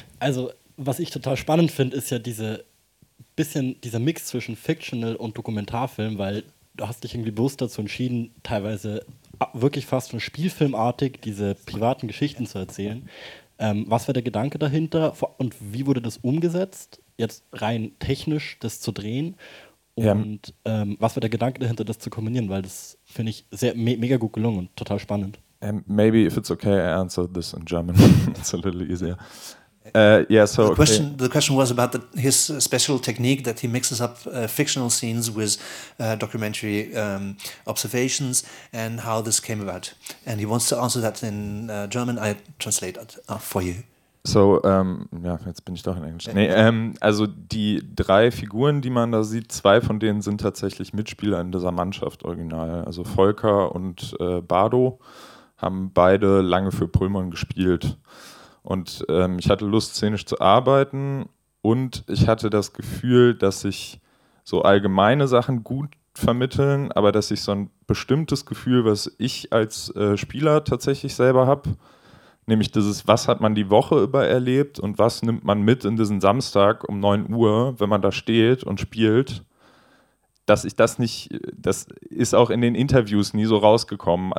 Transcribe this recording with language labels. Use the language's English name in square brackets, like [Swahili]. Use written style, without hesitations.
[German] Also, was ich total spannend finde, ist ja diese bisschen dieser Mix zwischen Fictional und Dokumentarfilm, weil du hast dich irgendwie bewusst dazu entschieden, teilweise wirklich fast schon spielfilmartig diese privaten Geschichten zu erzählen. Was war der Gedanke dahinter und wie wurde das umgesetzt, jetzt rein technisch das zu drehen? Und was war der Gedanke dahinter, das zu kombinieren? Weil das finde ich sehr mega gut gelungen und total spannend. [English] Maybe if it's okay, I answer this in German. It's a little easier. So the question, okay. The question was about his special technique that he mixes up fictional scenes with documentary observations and how this came about. And he wants to answer that in German. I translate it for you. [German] So, jetzt bin ich doch in Englisch. Nee, also die drei Figuren, die man da sieht, zwei von denen sind tatsächlich Mitspieler in dieser Mannschaft original. Also Volker und Bardo haben beide lange für Pullman gespielt. Und ich hatte Lust, szenisch zu arbeiten. Und ich hatte das Gefühl, dass ich so allgemeine Sachen gut vermitteln, aber dass ich so ein bestimmtes Gefühl, was ich als Spieler tatsächlich selber habe, nämlich dieses, was hat man die Woche über erlebt und was nimmt man mit in diesen Samstag um 9 Uhr, wenn man da steht und spielt, dass ich das nicht, das ist auch in den Interviews nie so rausgekommen.